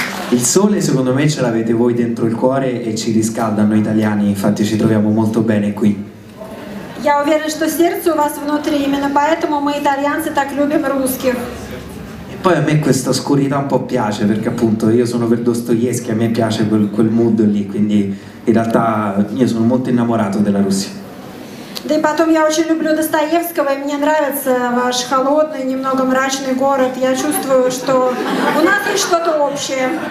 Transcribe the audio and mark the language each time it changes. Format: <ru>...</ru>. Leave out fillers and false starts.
<it>Il sole secondo me ce l'avete voi dentro il cuore e ci riscalda, noi italiani infatti ci troviamo molto bene qui.</it> <ru>Я уверен, что сердце у вас внутри, именно поэтому мы итальянцы так любим русских.</ru> <it>E poi a me questa oscurità un po' piace, perché appunto io sono per Dostoevskij, a me piace quel mood lì, quindi in realtà io sono molto innamorato della Russia.</it> <ru>Да и потом я очень люблю Достоевского, и мне нравится ваш холодный, немного мрачный город. Я чувствую, что у нас есть что-то общее.</ru>